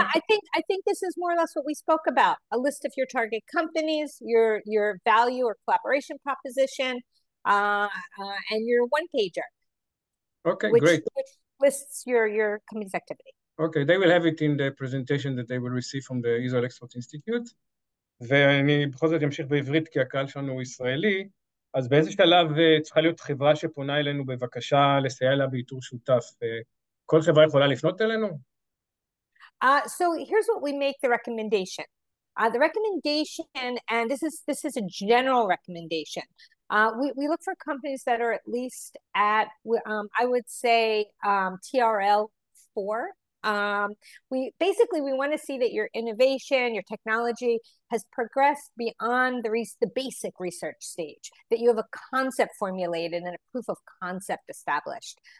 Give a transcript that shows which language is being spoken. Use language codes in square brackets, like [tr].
[en] Yeah, I think this is more or less what we spoke about. A list of your target companies, your value or collaboration proposition, and your one pager. Okay, which, great. Which lists your company's activity. Okay, they will have it in the presentation that they will receive from the Israel Export Institute. [he] ואני בכל זאת אמשיך בעברית כי הקהל שלנו הוא ישראלי. אז באיזה שלב צריכה להיות חברה שפונה אלינו בבקשה לסייע לה באיתור שותף? כל חברה יכולה לפנות אלינו? [en] So here's what we make the recommendation. The recommendation, and this is a general recommendation. We look for companies that are at least at, I would say, TRL 4. We want to see that your innovation, your technology has progressed beyond the basic research stage, that you have a concept formulated and a proof of concept established.